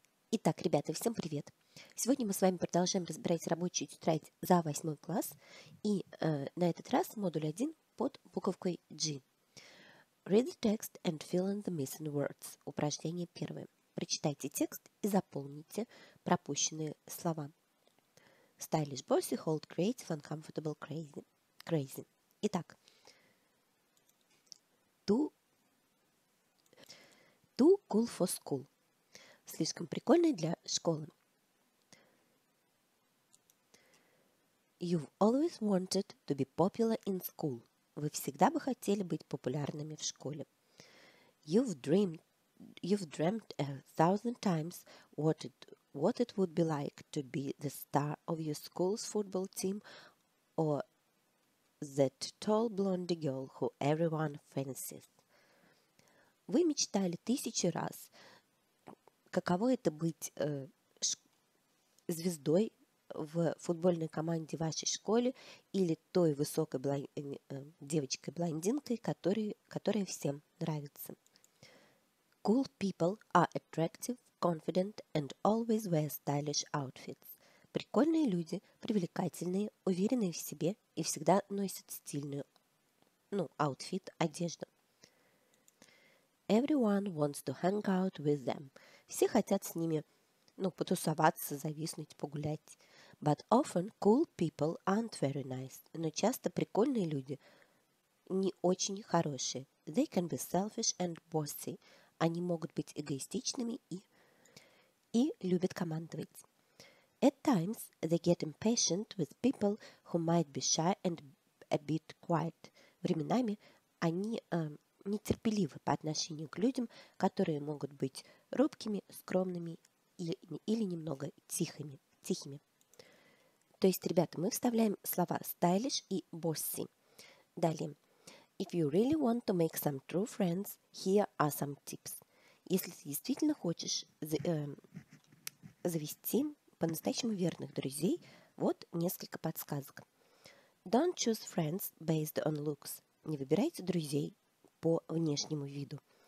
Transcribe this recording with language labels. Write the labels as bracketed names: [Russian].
[Russian] Итак, ребята, всем привет! Сегодня мы с вами продолжаем разбирать рабочую тетрадь за 8 класс. И на этот раз модуль 1 под буковкой G. [English] Read the text and fill in the missing words. [Russian] Упражнение первое. Прочитайте текст и заполните пропущенные слова. [English] Stylish bossy, hold creative, uncomfortable, crazy. [Russian] Итак. [English] Too cool for school. [Russian] Слишком прикольный для школы. [English] You've always wanted to be popular in school. [Russian] Вы всегда бы хотели быть популярными в школе. [English] You've dreamt a thousand times what it would be like to be the star of your school's football team or that tall blonde girl who everyone fancies. [Russian] Вы мечтали тысячу раз, каково это быть звездой в футбольной команде вашей школы или той высокой девочкой-блондинкой, которая всем нравится. [English] Cool people are attractive, confident and always wear stylish outfits. [Russian] Прикольные люди, привлекательные, уверенные в себе и всегда носят стильную, outfit, одежду. [English] Everyone wants to hang out with them. [Russian] Все хотят с ними, потусоваться, зависнуть, погулять. [English] But often cool people aren't very nice. [Russian] Но часто прикольные люди не очень хорошие. [English] They can be selfish and bossy. [Russian] Они могут быть эгоистичными и любят командовать. [English] At times they get impatient with people who might be shy and a bit quiet. [Russian] Временами они нетерпеливы по отношению к людям, которые могут быть робкими, скромными или немного тихими. То есть, ребята, мы вставляем слова stylish и bossy. Далее. [English] If you really want to make some true friends, here are some tips. [Russian] Если ты действительно хочешь завести по-настоящему верных друзей, вот несколько подсказок. [English] Don't choose friends based on looks. [Russian] Не выбирайте друзей по внешнему виду.